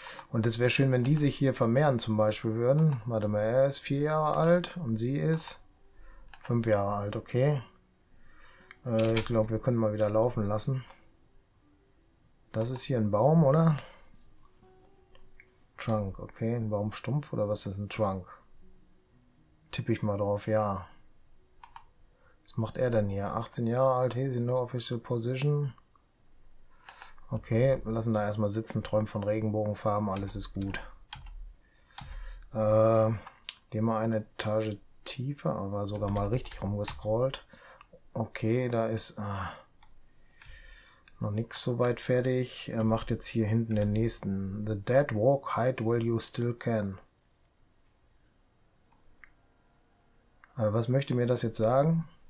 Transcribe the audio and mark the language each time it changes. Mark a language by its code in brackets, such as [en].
[de] Und es wäre schön, wenn die sich hier vermehren zum Beispiel würden. Warte mal, er ist 4 Jahre alt und sie ist 5 Jahre alt, okay. Ich glaube, wir können mal wieder laufen lassen. Das ist hier ein Baum, oder? Trunk, okay. Ein Baumstumpf oder was ist ein Trunk? Tippe ich mal drauf, ja. Was macht er denn hier? 18 Jahre alt, [en] he's in no official position. [de] Okay, lassen da erstmal sitzen, träumen von Regenbogenfarben, alles ist gut. Gehen wir eine Etage tiefer, aber sogar mal richtig rumgescrollt. Okay, da ist noch nichts so weit fertig. Er macht jetzt hier hinten den nächsten. [en] The dead walk, hide while you still can. [de] Was möchte mir das jetzt sagen?